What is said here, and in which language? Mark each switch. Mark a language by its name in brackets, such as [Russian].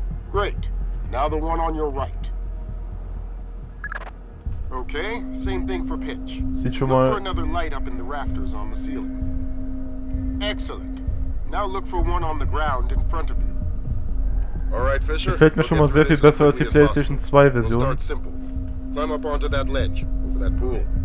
[English] Great. Now the one on your right. Okay, same thing for pitch. [German] Sieht schon [English] look [German] mal [English] for another light up in the rafters on the ceiling. Excellent. Now look for one on the ground in front of you. All right, Fisher. [German] Gefällt mir schon mal sehr viel besser als die PlayStation 2 Version. [English] We'll start simple. Climb up onto that ledge over that pool.